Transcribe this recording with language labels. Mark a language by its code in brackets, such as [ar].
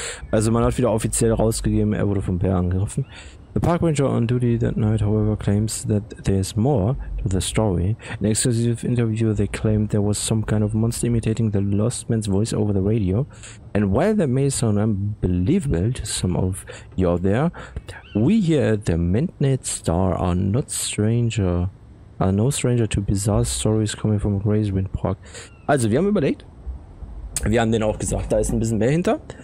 [en] Also man hat wieder offiziell rausgegeben, er wurde vom Bär angegriffen. The park ranger on duty that night, however, claims that there is more to the story. In an exclusive interview, they claimed there was some kind of monster imitating the lost man's voice over the radio. And while that may sound unbelievable to some of you out there, we here at the Midnight Star are no stranger to bizarre stories coming from Grayswind Park. [de] Also, wir haben überlegt. Wir haben denen auch gesagt, da ist ein bisschen mehr hinter.